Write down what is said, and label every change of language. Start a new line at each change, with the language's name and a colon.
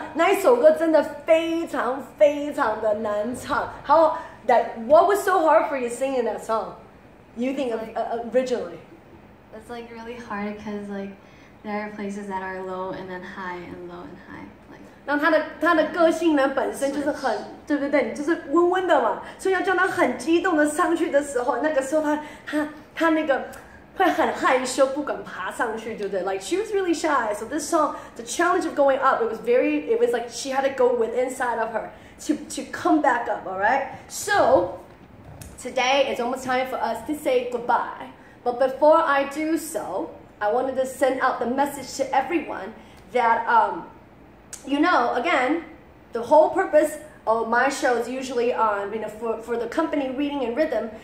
Chinese: 一首歌真的非常非常的难唱。
English: How that? What was so hard for you singing that song? You think of, originally? It's like really hard because like there are places that are low and then high and low and high.
Chinese: Like 那他的个性呢，本身就是很对不对？你就是温温的嘛，所以要叫他很激动的上去的时候，那个时候他那个。会很害羞，不敢爬上去，对不对 ？
English: Like she was really shy. So this song, the challenge of going up, it was like she had to go with inside of her to come back up. All right. So today it's almost time for us to say goodbye. But before I do so, I wanted to send out the message to everyone that you know, again, the whole purpose of my show is usually on, you know, for the company reading and rhythm.